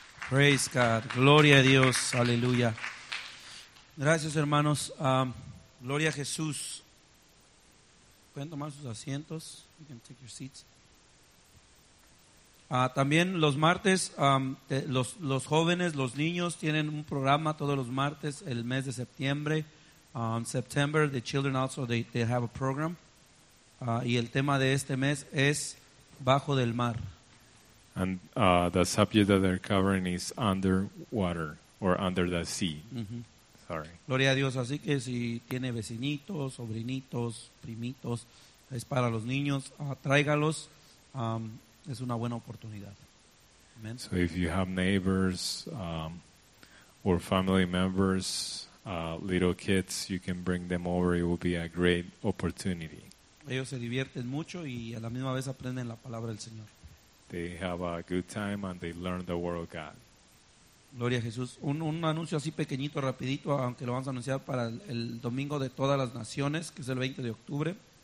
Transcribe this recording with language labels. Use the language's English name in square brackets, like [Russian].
[English] Praise God. [Spanish] Gloria a Dios. Aleluya. Gracias, hermanos. Gloria a Jesús. Pueden tomar sus asientos. [English] You can take your seats. [Spanish] También los martes, los jóvenes, los niños tienen un programa todos los martes, el mes de septiembre. [English] September, the children also, they have a program. [Spanish] Y el tema de este mes es Bajo del Mar. [English] And the subject that they're covering is under water or under the sea. Mm-hmm. Sorry. [Spanish] Gloria a Dios. Así que si tiene vecinitos, sobrinitos, primitos, es para los niños, tráigalos. Es una buena oportunidad. Amen. [English] So if you have neighbors or family members, little kids, you can bring them over. It will be a great opportunity. [Spanish] Ellos se divierten mucho y a la misma vez aprenden la palabra del Señor. [English] They have a good time and they learn the word of God. [Spanish] Gloria a Jesús. Un anuncio así pequeñito, rapidito, aunque lo vamos a anunciar para el domingo de todas las naciones, que es el 20 de octubre.